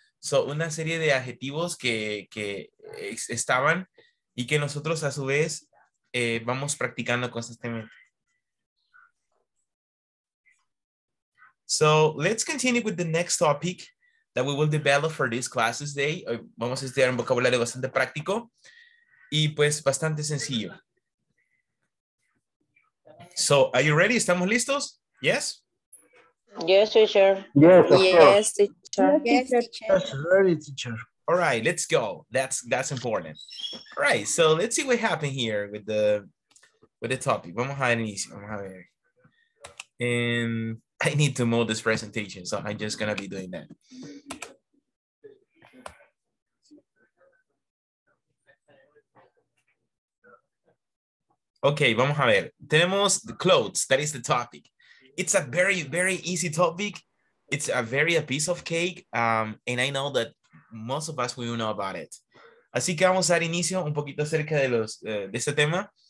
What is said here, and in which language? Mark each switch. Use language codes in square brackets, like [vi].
[es] So una serie de adjetivos que estaban y que nosotros a su vez vamos practicando constantemente. [en] So let's continue with the next topic that we will develop for this class today. [es] Hoy vamos a estudiar un vocabulario bastante práctico y pues bastante sencillo. [en] So are you ready? [es] ¿Estamos listos? [en] Yes? Yes, teacher. Yes, teacher. Yes, teacher. Yes, teacher. Yes, teacher. Ready, teacher. All right, let's go. That's important. All right, so let's see what happened here with the topic. [es] Vamos a iniciar. Vamos a ver. [en] And I need to move this presentation, so I'm just gonna be doing that. Okay, [es] vamos a ver. Tenemos [en] the clothes, that is the topic. It's a very, very easy topic. It's a very a piece of cake, and I know that most of us will know about it. [es] Así que vamos a dar inicio un poquito acerca de los de este tema.